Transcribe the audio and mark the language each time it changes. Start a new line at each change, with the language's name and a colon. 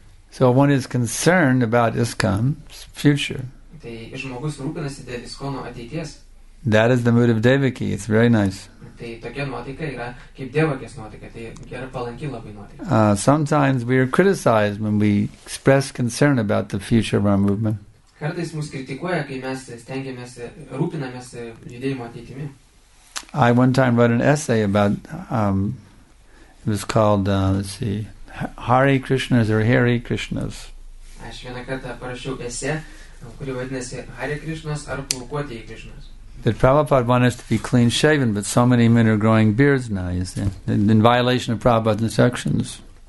English: So one is concerned about ISKCON's future. That is the mood of Devaki, it's very nice.
Lithuanian: Tai tokia nuotaika yra kaip devakės nuotaika, tai yra palanki labai nuotaika.
English: Sometimes we are criticized when we express concern about the future of our movement.
Lithuanian: Kartais mus kritikuoja, kai mes stengiamės, rūpinamės judėjimo ateitimi.
English: I one time wrote an essay about, it was called, Hare Krishnas or Hare Krishnas.
Lithuanian: Aš vieną kartą parašiau esė, kuri vadinasi Hare Krishnas ar Plaukuotieji Krishnas.
English: That Prabhupada wants us to be clean-shaven, but so many men are growing beards now, you see, in violation of Prabhupada's instructions.